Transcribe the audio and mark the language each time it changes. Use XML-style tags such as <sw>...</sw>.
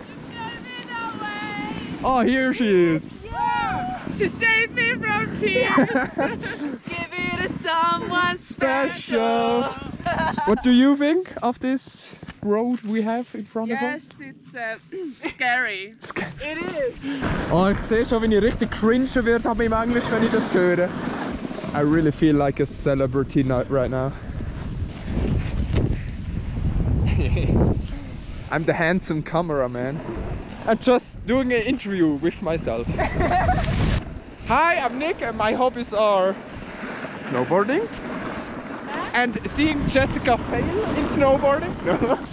<en>She's gonna be in our way! Oh, here she is! To save me from tears! Give me to someone special! What do you think of this road we have in front yes, of us? Yes, it's scary. It is!</en> <de>Oh, ich sehe schon, wenn ich richtig cringe wird im Englisch, wenn ich das höre.</de> <en>I really feel like a celebrity right now. I'm the handsome cameraman. I'm just doing an interview with myself. Hi, I'm Nick and my hobbies are snowboarding and seeing Jessica fail in snowboarding.</en>